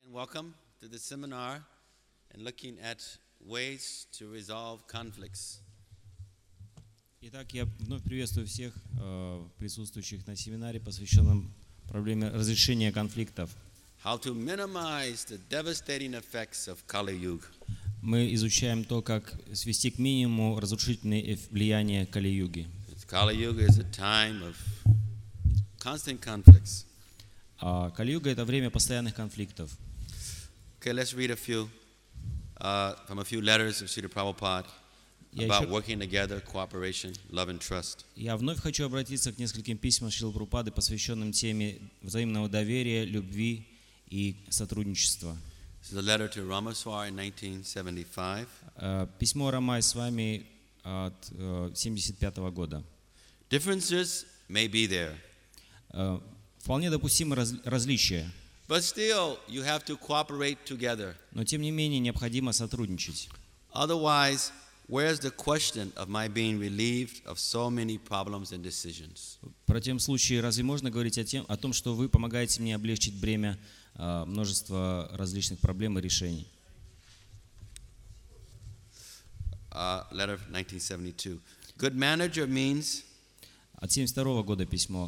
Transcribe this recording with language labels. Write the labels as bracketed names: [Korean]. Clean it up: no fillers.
[English] welcome to the seminar and looking at ways to resolve conflicts. [Russian] Итак, я вновь приветствую всех присутствующих на семинаре, посвященном проблеме разрешения конфликтов. [English] How to minimize the devastating effects of Kali Yuga. [Russian] Мы изучаем то, как свести к минимуму разрушительные влияния Кали-юги. [English] Kali Yuga is a time of constant conflicts. [Russian] Кали-юга — это время постоянных конфликтов. [English] Okay, let's read a few from a few letters of Srila Prabhupada about working together, cooperation, love and trust. [Russian] Я вновь хочу обратиться к нескольким письмам Шрилы Прабхупады, посвященным теме взаимного доверия, любви и сотрудничества. [English] This is a letter to Ramaswar in 1975. [Russian] Письмо Рамай с вами от 75 года. [English] Differences may be there. [Russian] Вполне допустимы различия. [English] But still, you have to cooperate together. [Russian] Но тем не менее необходимо сотрудничать. [English] Otherwise, where is the question of my being relieved of so many problems and decisions? [Russian] В противном случае, разве можно говорить о том, что вы помогаете мне облегчить бремя множества различных проблем и решений? [English] Letter 1972. Good manager means. [Russian] От 72 года письмо.